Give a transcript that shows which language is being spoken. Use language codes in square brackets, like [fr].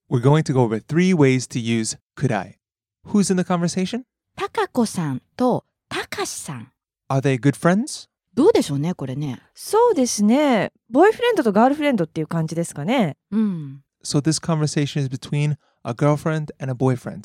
[en] We're going to go over three ways to use could I. Who's in the conversation? [ja] たかこさんとたかしさん。 [en] Are they good friends? [ja] どうでしょうね、これね。そうですね。ボーイフレンドとガールフレンドっていう感じですかね。うん。 [en] So this conversation is between a girlfriend and a boyfriend.